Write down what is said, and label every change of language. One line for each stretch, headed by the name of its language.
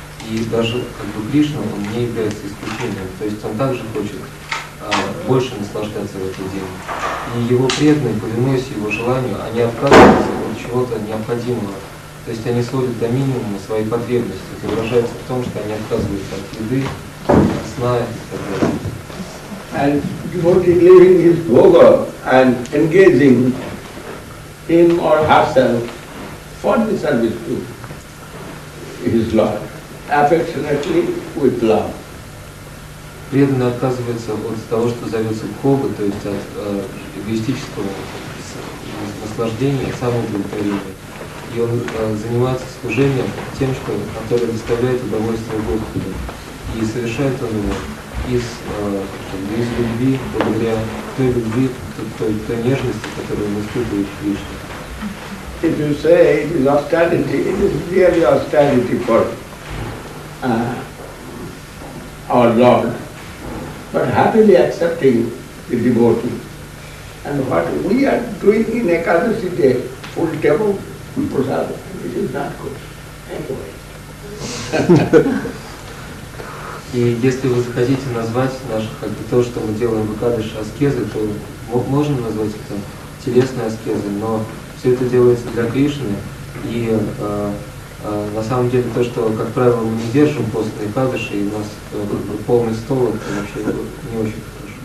Russian: И даже, как бы, Кришна, он не является исключением. То есть он также хочет больше наслаждаться в этот день. И его преданные, повинуясь его желанию, они отказываются от чего-то необходимого. То есть они сводят до минимума свои потребности. Это выражается в том, что они отказываются от еды, от сна и так далее.
English: And devotee leaving his bhoga and engaging him or herself for the service to his Lord, affectionately with love.
Russian: Преданный отказывается от того, что зовется бхога, то есть от эгоистического наслаждения, от самоудовлетворения. И он занимается служением тем, что, которое доставляет удовольствие Господу. И совершает он его из любви, благодаря той любви, той нежности, которую он испытывает в Кришне.
English: If you say it is austerity, it is really austerity for our Lord. But happily accepting the devotee. And what we are doing in Ekadasi day, full table, full prasad, it is not good. Anyway.
Russian: И если вы захотите назвать наше, как бы, то, что мы делаем в Экадаши аскезы, то мы можем назвать это телесной аскезой, но все это делается для Кришны. И на самом деле то, что, как правило, мы не держим постные кадыши, и у нас полный стол, это вообще не очень хорошо.